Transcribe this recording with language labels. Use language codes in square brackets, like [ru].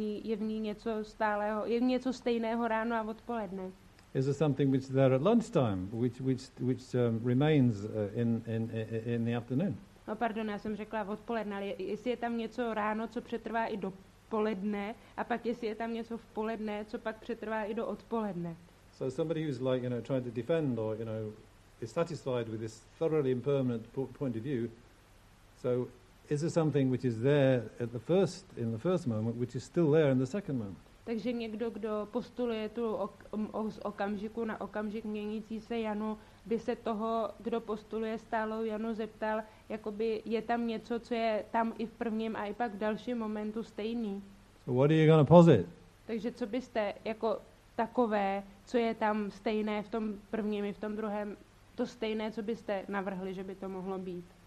[cs] Je v ní něco stálého, je v něco stejného ráno a odpoledne? [en] Is there something which is there at lunchtime, which remains in the afternoon? [cs] No, pardon, já jsem řekla odpoledne, ale jestli je tam něco ráno, co přetrvá i do poledne a pak jestli je tam něco v poledne, co pak přetrvá i do odpoledne. [en] So somebody who's like, you know, trying to defend or, you know, is satisfied with this thoroughly impermanent point of view, so is there something which is there at the first, in the first moment, which is still there in the second moment? [cs] Takže někdo, kdo postuluje tu z okamžiku na okamžik měnící se Janu, by se toho, kdo postuluje stálou Janu, zeptal, jakoby je tam něco, co je tam i v prvním a i pak v dalším momentu stejný. [en] So what are you gonna posit? [cs] Takže co byste jako takové, co je tam stejné v tom prvním i v tom druhém, to stejné, co byste navrhli, že by to mohlo být?